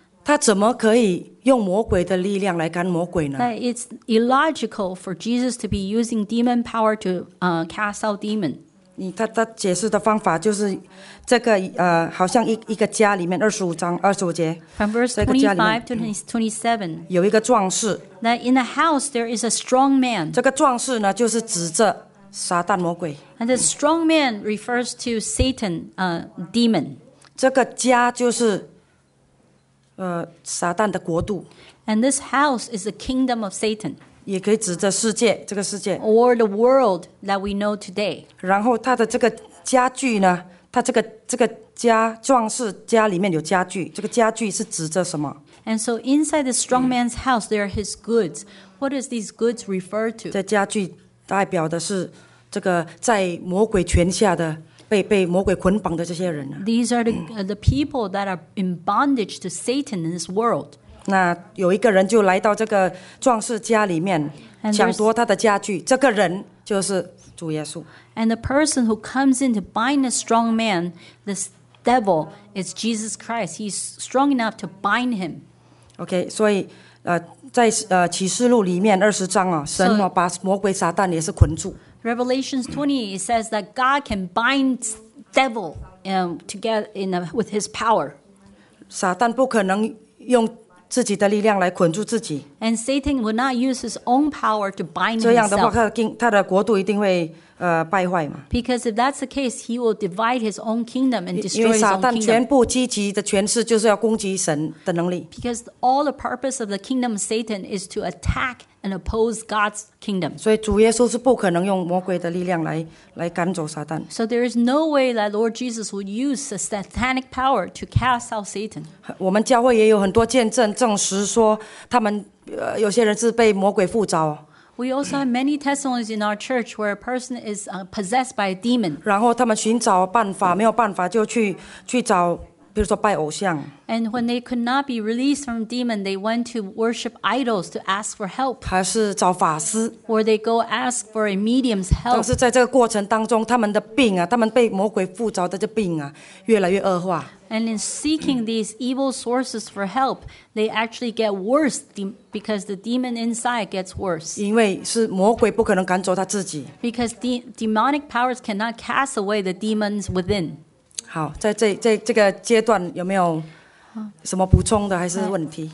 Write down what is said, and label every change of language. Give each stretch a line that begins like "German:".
Chinese: 他怎么可以用魔鬼的力量来赶魔鬼呢？
English: That it's illogical for Jesus to be using demon power to cast out demon.
Chinese: 他解释的方法就是这个好像一个家里面25-25。
English: From verse 25 to 27,
Chinese: 有一个壮士。
English: That in the house there is a strong man.
Chinese: 这个壮士呢，就是指着撒旦魔鬼。
English: And the strong man refers to Satan, demon.
Chinese: 这个家就是撒旦的国度。
English: And this house is the kingdom of Satan.
Chinese: 也可以指着世界，这个世界。
English: Or the world that we know today.
Chinese: 然后他的这个家具呢，他这个家，壮士家里面有家具，这个家具是指着什么？
English: And so inside the strong man's house, there are his goods. What does these goods refer to?
Chinese: 这家具代表的是这个在魔鬼权下的被魔鬼捆绑的这些人、啊、
English: These are the people that are in bondage to Satan in this world.
Chinese: 那有一个人就来到这个壮士家里面抢夺他的家具，这个人就是主耶稣。
English: And the person who comes in to bind a strong man, this devil, is Jesus Christ. He's strong enough to bind him.
Chinese: Okay, 所以在启示录里面20章、啊、神、啊、把魔鬼撒旦也是捆住。
English: Revelation 20, it says that God can bind devil together with his power.
Chinese: 撒旦不可能用自己的力量来捆住自己。
English: And Satan would not use his own power to bind himself.
Chinese: 这样的话，他的国度一定会败坏嘛。
English: Because if that's the case, he will divide his own kingdom and destroy his own kingdom.
Chinese: 因为撒旦全部积极的权势就是要攻击神的能力。
English: Because all the purpose of the kingdom of Satan is to attack and oppose God's kingdom.
Chinese: 所以主耶稣是不可能用魔鬼的力量来赶走撒旦。
English: So there is no way that Lord Jesus would use the satanic power to cast out Satan.
Chinese: 我们教会也有很多见证证实说他们有些人是被魔鬼附着。
English: We also have many testimonies in our church where a person is possessed by a demon.
Chinese: 然后他们寻找办法，没有办法就去找，比如说拜偶像。
English: And when they could not be released from demon, they went to worship idols to ask for help.
Chinese: 还是找法师。
English: Or they go ask for a medium's help.
Chinese: 但是在这个过程当中，他们的病啊，他们被魔鬼附着的这病啊，越来越恶化。
English: And in seeking these evil sources for help, they actually get worse because the demon inside gets worse.
Chinese: 因为是魔鬼不可能赶走他自己。
English: Because the demonic powers cannot cast away the demons within.
Chinese: 好，在这个阶段有没有什么补充的还是问题？